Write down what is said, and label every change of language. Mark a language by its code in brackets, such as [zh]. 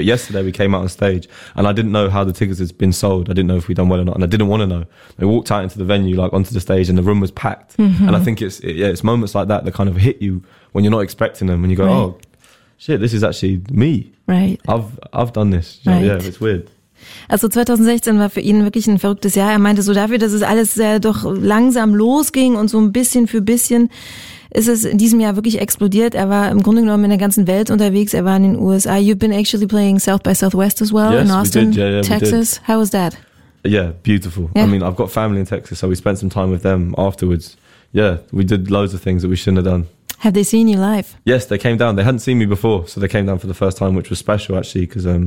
[en] But yesterday we came out on stage and I didn't know how the tickets had been sold. I didn't know if we'd done well or not, and I didn't want to know. I walked out into the venue, like onto the stage, and the room was packed. And I think it's moments like that that kind of hit you when you're not expecting them, when you go, oh shit, this is actually me. Right. I've done this. You know, yeah, it's weird. [de] Also 2016 war für ihn wirklich ein verrücktes Jahr. Er meinte so, dafür, dass es alles sehr doch langsam losging und so ein bisschen für bisschen, ist es in diesem Jahr wirklich explodiert. Er war im Grunde genommen in der ganzen Welt unterwegs. Er war in den USA. [en] You've been actually playing South by Southwest as well, yes, in Austin, we did. Yeah, Texas. We did. How was that? Yeah, beautiful. Yeah. I mean, I've got family in Texas, so we spent some time with them afterwards. Yeah, we did loads of things that we shouldn't have done. Have they seen you live? Yes, they came down. They hadn't seen me before, so they came down for the first time, which was special actually, because...